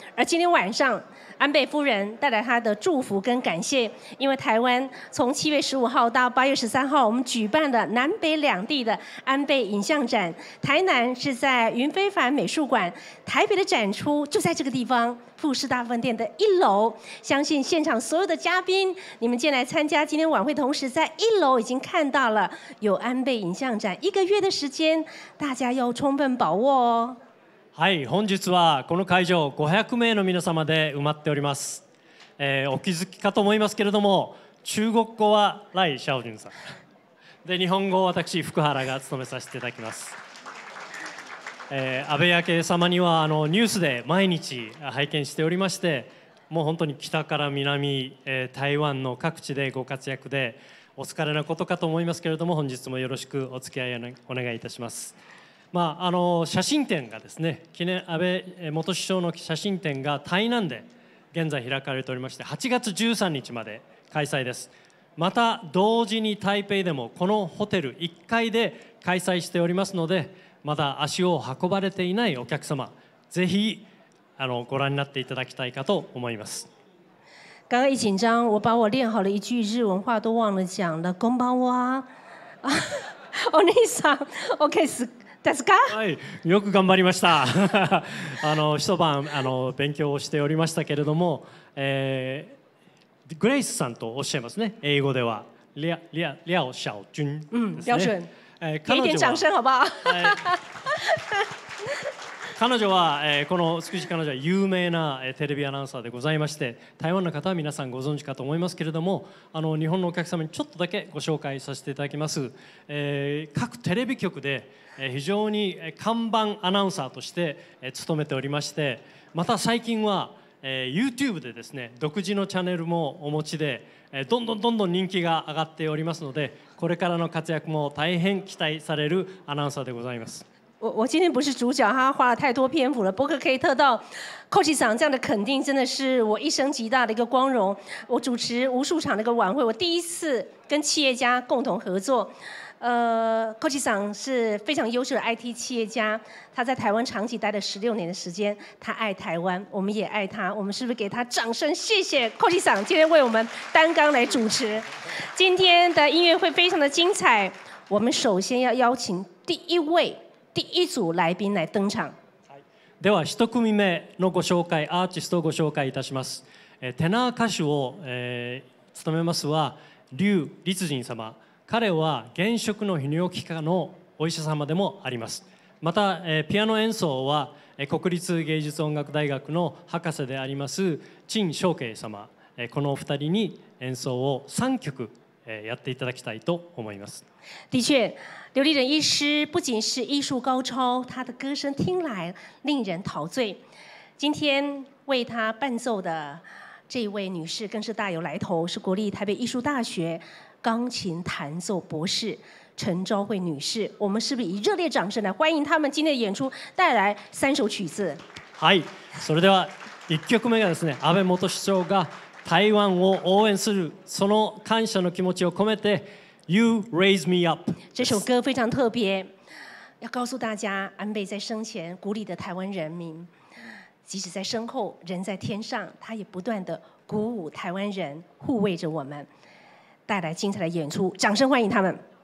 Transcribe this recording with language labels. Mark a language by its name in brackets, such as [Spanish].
[Chinese] 而今天晚上安倍夫人带来她的祝福跟感谢，因为台湾从7月15号到8月13号，我们举办的南北两地的安倍影像展，台南是在云非凡美术馆，台北的展出就在这个地方富士大饭店的一楼。相信现场所有的嘉宾，你们进来参加今天晚会同时，在一楼已经看到了有安倍影像展。一个月的时间，大家要充分把握哦。 [Japanese] はい、本日はこの会場500名の皆様で埋まっております。お気づきかと思いますけれども、中国語は来シャオジュンさんで、日本語を私福原が務めさせていただきます。安倍昭恵様にはニュースで毎日拝見しておりまして、もう本当に北から南、台湾の各地でご活躍でお疲れなことかと思いますけれども、本日もよろしくお付き合いをお願いいたします。まあ、写真展がですね、記念安倍元首相の写真展が台南で現在開かれておりまして、8月13日まで開催です。また同時に台北でもこのホテル1階で開催しておりますので、まだ足を運ばれていないお客様、ぜひご覧になっていただきたいかと思います。 [Chinese] 刚刚一紧张我把我练好了一句日文话都忘了讲了。 [Japanese] こんばんは。お姉さん、 OK ですか？はい、よく頑張りました。一晩勉強をしておりましたけれども、グレイスさんとおっしゃいますね。英語ではリアオシャオジュンですね。 [Chinese] リアオシュン、给一点掌声好不好？ [Japanese] 彼女は、この美しい彼女は有名な、テレビアナウンサーでございまして、台湾の方は皆さんご存知かと思いますけれども、日本のお客様にちょっとだけご紹介させていただきます。各テレビ局で、非常に看板アナウンサーとして、勤めておりまして、また最近は、YouTube でですね、独自のチャンネルもお持ちで、どんどんどんどん人気が上がっておりますので、これからの活躍も大変期待されるアナウンサーでございます。 [Chinese] 我今天不是主角，他花了太多篇幅了。不过可以得到 Coach 长这样的肯定，真的是我一生极大的一个光荣。我主持无数场的一个晚会，我第一次跟企业家共同合作。 Coach 长是非常优秀的 IT 企业家，他在台湾长期待了16年的时间。他爱台湾，我们也爱他。我们是不是给他掌声？谢谢 Coach 长今天为我们担纲来主持。今天的音乐会非常的精彩。我们首先要邀请第一位。第一组来宾来登场。 [Japanese] では一組目のご紹介、アーティストをご紹介いたします。テナー歌手を、務めますは劉立仁様。彼は現職の泌尿器科のお医者様でもあります。また、ピアノ演奏は、国立芸術音楽大学の博士であります陳小慶様、このお二人に演奏を3曲、やっていただきたいと思います。 [Chinese] 的确刘立仁医师不仅是艺术高超，他的歌声听来令人陶醉。今天为他伴奏的这位女士更是大有来头，是国立台北艺术大学钢琴弹奏博士陈昭慧女士。我们是不是以热烈掌声来欢迎他们今天的演出，带来三首曲子？ [Japanese] はい、それでは1曲目がですね、安倍元首相が台湾を応援するその感謝の気持ちを込めて。 [English] You raise me up。 [Chinese] 这首歌非常特别，要告诉大家，安倍在生前鼓励的台湾人民，即使在身后人在天上，他也不断的鼓舞台湾人，护卫着我们，带来精彩的演出，掌声欢迎他们。